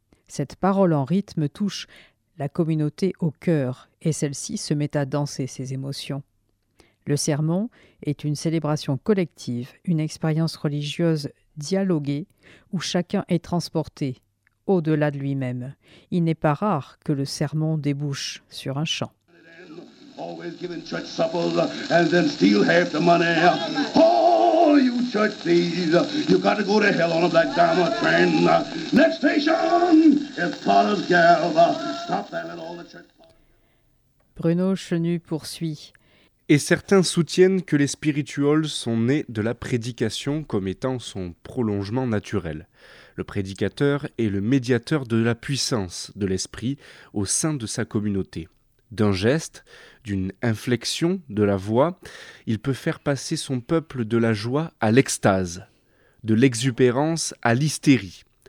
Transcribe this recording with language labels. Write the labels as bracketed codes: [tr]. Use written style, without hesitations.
[fr] Cette parole en rythme touche la communauté au cœur, et celle-ci se met à danser ses émotions. Le sermon est une célébration collective, une expérience religieuse dialoguer, où chacun est transporté, au-delà de lui-même. Il n'est pas rare que le sermon débouche sur un chant. [en] Always giving church suppers and then steal half the money. Oh, you church thieves, you gotta go to hell on a black diamond train. Next station is Potter's Gave. Stop that and all the church... [fr] Bruno Chenu poursuit. Et certains soutiennent que les spirituals sont nés de la prédication comme étant son prolongement naturel. Le prédicateur est le médiateur de la puissance de l'esprit au sein de sa communauté. D'un geste, d'une inflexion de la voix, il peut faire passer son peuple de la joie à l'extase, de l'exubérance à l'hystérie.